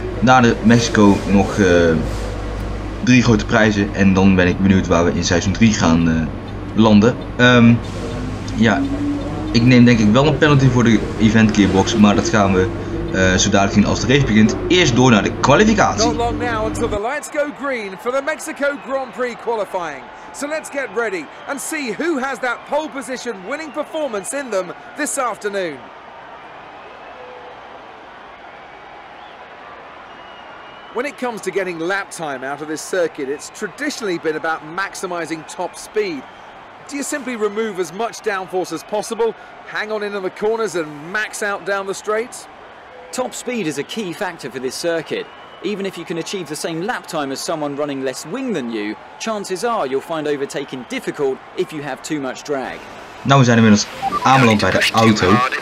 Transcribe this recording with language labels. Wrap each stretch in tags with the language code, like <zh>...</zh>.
<nl>Na de Mexico nog 3 grote prijzen en dan ben ik benieuwd waar we in seizoen 3 gaan landen. Ik neem denk ik wel een penalty voor de event gearbox, maar dat gaan we zo dadelijk zien als de race begint. Eerst door naar de kwalificatie.</nl> <en>Not long now until the lights go green for the Mexico Grand Prix qualifying. So let's get ready and see who has that pole position winning performance in them this afternoon. When it comes to getting lap time out of this circuit, it's traditionally been about maximizing top speed. Do you simply remove as much downforce as possible, hang on in the corners and max out down the straights? Top speed is a key factor for this circuit. Even if you can achieve the same lap time as someone running less wing than you, chances are you'll find overtaking difficult if you have too much drag.</en> <nl>Nou, we zijn inmiddels aanbeland bij de auto.</nl>